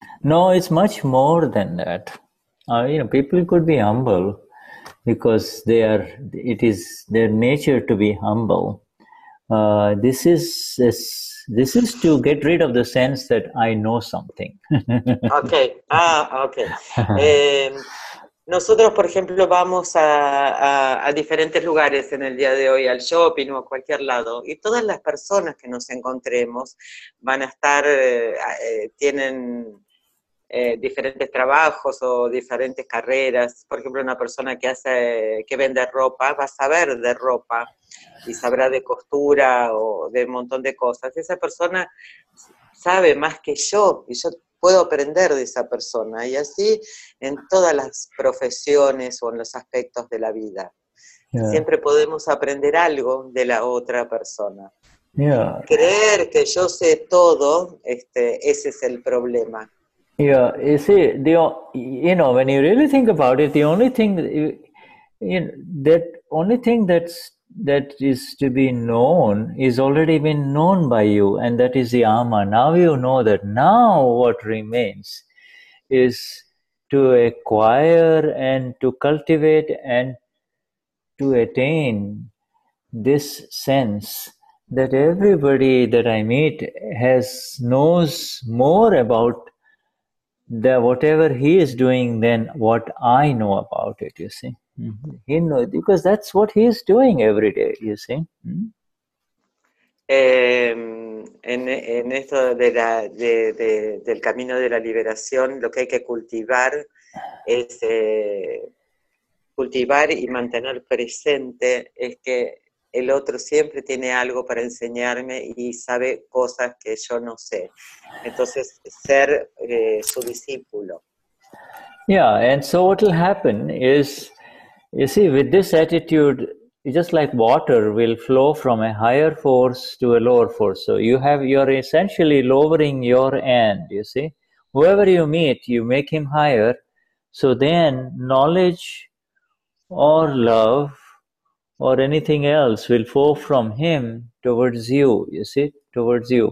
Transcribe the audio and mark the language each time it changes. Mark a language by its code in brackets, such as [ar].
[en] No, it's much more than that. People could be humble because it is their nature to be humble. This is to get rid of the sense that I know something. Okay. Ah, okay. [es] Nosotros, por ejemplo, vamos a diferentes lugares en el día de hoy, al shopping o a cualquier lado, y todas las personas que nos encontremos van a estar, tienen diferentes trabajos o diferentes carreras. Por ejemplo, una persona que vende ropa va a saber de ropa y sabrá de costura o de un montón de cosas. Esa persona sabe más que yo y yo puedo aprender de esa persona, y así en todas las profesiones o en los aspectos de la vida. Yeah. Siempre podemos aprender algo de la otra persona. [en] Yeah. [es] Creer que yo sé todo, ese es el problema. [en] Yeah, you see, when you really think about it, the only thing that is to be known is already been known by you, and that is the ama. Now you know that. Now what remains is to acquire and to cultivate and to attain this sense that everybody that I meet knows more about whatever he is doing than what I know about it, you see. Mm-hmm. He knows, because that's what he is doing every day, you see. Mm-hmm. [es] En esto de la del camino de la liberación, lo que hay que cultivar es cultivar y mantener presente es que el otro siempre tiene algo para enseñarme y sabe cosas que yo no sé. Entonces, ser su discípulo. [en] Yeah, and so what will happen is, you see, with this attitude, just like water will flow from a higher force to a lower force. So you're essentially lowering your end, you see. Whoever you meet, you make him higher. So then knowledge or love or anything else will flow from him towards you, you see, towards you.